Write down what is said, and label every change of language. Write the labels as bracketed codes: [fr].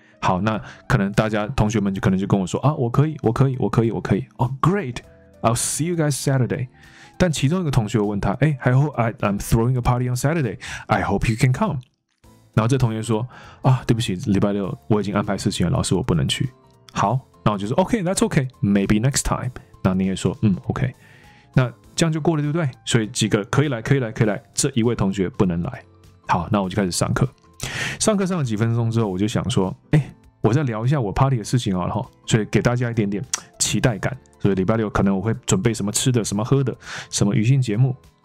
[zh] 好，那可能大家同学们就可能就跟我说啊，我可以 [en] Oh great, I'll see you guys Saturday。 [zh] 但其中一个同学问他，哎、欸、 [en] I'm throwing a party on Saturday, I hope you can come。 [zh] 然后这同学说啊，对不起，礼拜六我已经安排事情了，老师我不能去。好，那我就说 [en] OK, that's OK, maybe next time。 [zh] 那你也说嗯 OK, 那这样就过了，对不对？所以几个可以来可以来可以来，这一位同学不能来。好，那我就开始上课，上课上了几分钟之后，我就想说哎，我再聊一下我 party 的事情好了，所以给大家一点点期待感，所以礼拜六可能我会准备什么吃的什么喝的什么娱乐节目。